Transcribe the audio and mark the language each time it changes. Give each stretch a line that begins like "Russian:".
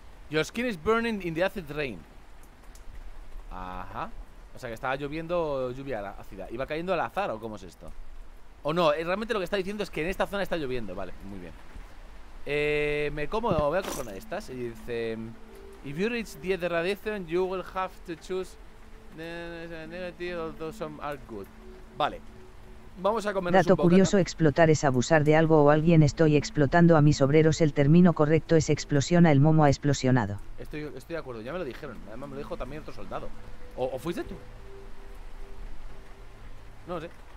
English: Your skin is burning in the acid rain.
Spanish: Ajá. O sea que estaba lloviendo lluvia ácida. ¿Iba cayendo al azar o cómo es esto? O no, realmente lo que está diciendo es que en esta zona está lloviendo. Vale, muy bien. Voy a coger una de estas. Y dice:
English: If you reach 10
Spanish: de radiación,
English: you will have to choose negative, although some are good.
Spanish: Vale. Vamos a comernos un bocata. Dato curioso: explotar es abusar de algo o alguien. Estoy explotando a mis obreros. El término correcto es explosiona. El momo ha explosionado. Estoy de acuerdo, ya me lo dijeron. Además me lo dijo también otro soldado. ¿O fuiste tú? No lo sé.